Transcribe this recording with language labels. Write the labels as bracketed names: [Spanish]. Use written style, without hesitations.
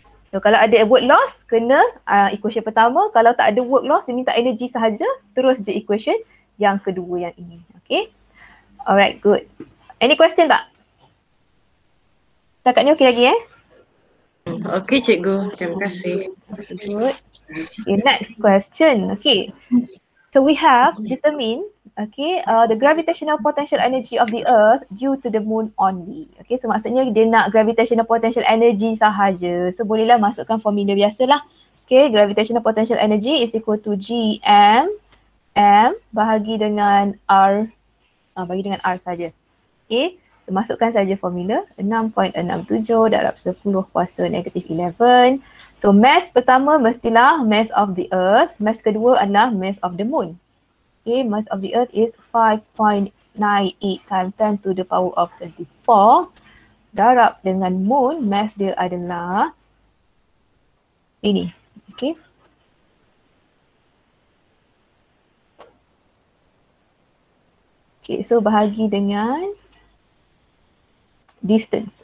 [Malay] So kalau ada work loss, kena equation pertama. Kalau tak ada work loss, dia minta energy sahaja, terus je equation yang kedua yang ini. Okay. [English] Alright, good. Any question [Malay] tak? Setakat ni okay lagi eh? Okay, cikgu. Terima kasih. [English] Good. Okay, next question. Okay. So we have determined, okay, the gravitational potential energy of the earth due to the moon only. [Malay] Okay, so maksudnya dia nak [English] gravitational potential energy [Malay] sahaja. So bolehlah masukkan formula biasalah. Okay, [English] gravitational potential energy is equal to [Malay] GM M bahagi dengan R, bahagi dengan R saja. Okay. So masukkan saja formula 6.67 darab 10 kuasa negatif 11. So mass pertama mestilah [English] mass of the earth. [Malay] Mass kedua adalah [English] mass of the moon. Okay, mass of the earth is 5.98 times 10 to the power of 24. [Malay] Darab dengan moon, mass dia adalah ini. Okay. Okay, so bahagi dengan distance.